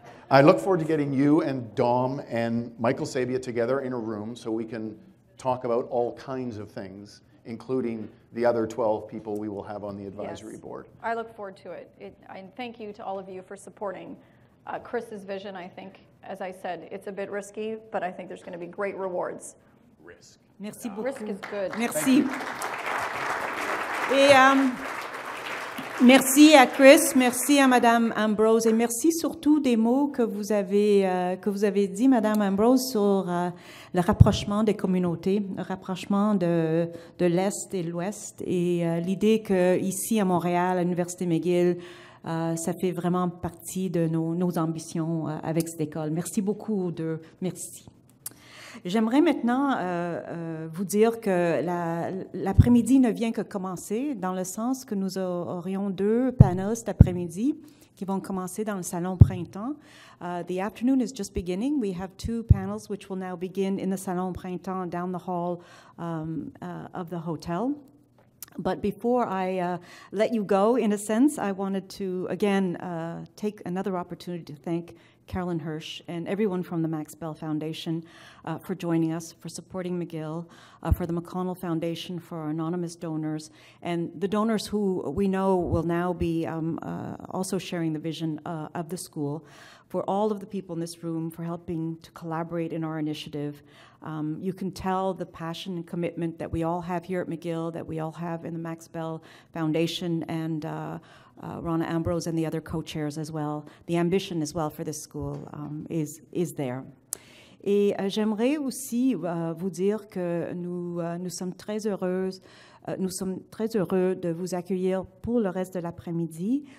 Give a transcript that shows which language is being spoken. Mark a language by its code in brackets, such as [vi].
[en] I look forward to getting you and Dom and Michael Sabia together in a room so we can talk about all kinds of things, including the other 12 people we will have on the advisory board. I look forward to it. And thank you to all of you for supporting Chris's vision. I think, as I said, it's a bit risky, but I think there's going to be great rewards. Risk. [fr] Merci beaucoup. [en] Risk is good. [fr] Merci. Et merci à Chris, merci à Madame Ambrose, et merci surtout des mots que vous avez dit, Madame Ambrose, sur le rapprochement des communautés, le rapprochement de l'Est et de l'Ouest, et l'idée que ici à Montréal, à l'Université McGill, ça fait vraiment partie de nos ambitions avec cette école. Merci beaucoup aux deux. Merci. J'aimerais maintenant vous dire que l'après-midi ne vient que commencer, dans le sens que nous aurions deux panels cet après-midi qui vont commencer dans le salon printemps. [en] The afternoon is just beginning. We have two panels which will now begin in the salon printemps down the hall of the hotel. But before I let you go, in a sense, I wanted to again take another opportunity to thank Carolyn Hirsch and everyone from the Max Bell Foundation for joining us, for supporting McGill, for the McConnell Foundation, for our anonymous donors, and the donors who we know will now be also sharing the vision of the school, for all of the people in this room for helping to collaborate in our initiative. You can tell the passion and commitment that we all have here at McGill, that we all have in the Max Bell Foundation, and Rona Ambrose and the other co-chairs as well. The ambition as well for this school is there. [fr] Et j'aimerais aussi vous dire que nous sommes très heureux de vous accueillir pour le reste de l'après-midi.